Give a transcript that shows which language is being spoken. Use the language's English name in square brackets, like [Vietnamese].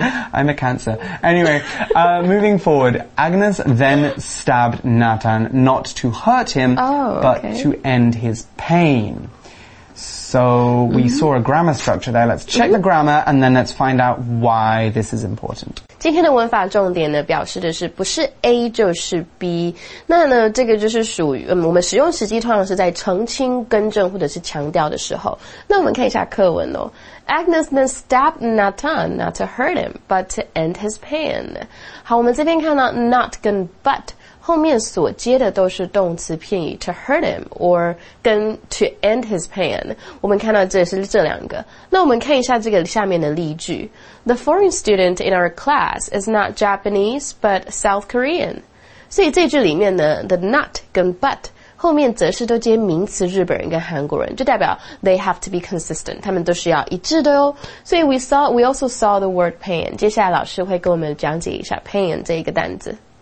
[English] I'm a Cancer. Anyway, moving forward. Agnes then stabbed Natan not to hurt him, but to end his pain. So we、mm-hmm. saw a grammar structure there. Let's check、mm-hmm. the grammar and then let's find out why this is important. [Chinese] 今天的文法重点呢，表示的是不是 A 就是 B。那呢，这个就是属于、我们使用时机通常是在澄清、更正或者是强调的时候。那我们看一下课文哦。 [English] Agnes then stabbed Natan not to hurt him, but to end his pain. [Chinese] 好，我们这边看到 not 跟 but 后面所接的都是动词片语 [English] to hurt him [Chinese] or 跟 [English] to end his pain. [Chinese] 我们看到这是这两个。那我们看一下这个下面的例句。 [English] The foreign student in our class is not Japanese, but South Korean. [Chinese] 所以这句里面呢 the not 跟 but后面则是都接名词日本人跟韩国人，就代表 [English] they have to be consistent, [Chinese] 他们都是要一致的哦。所以 [English] we also saw the word pain, [Chinese] 接下来老师会跟我们讲解一下 pain 这一个单字。